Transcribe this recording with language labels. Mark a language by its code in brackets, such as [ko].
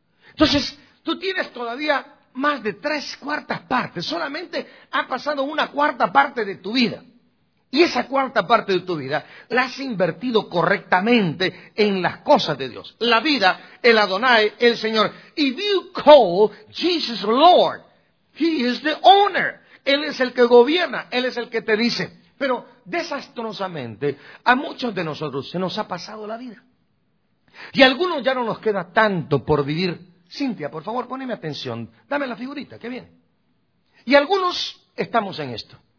[es] Entonces, tú tienes todavía más de 3/4 partes. Solamente ha pasado 1/4 parte de tu vida. Y esa 1/4 parte de tu vida la has invertido correctamente en las cosas de Dios. La vida, el Adonai, el Señor. [en] If you call Jesus Lord, He is the owner. [es] Él es el que gobierna, Él es el que te dice. Pero desastrosamente a muchos de nosotros se nos ha pasado la vida. Y a algunos ya no nos queda tanto por vivir. Cintia, por favor, poneme atención. Dame la figurita, qué bien. Y algunos estamos en esto.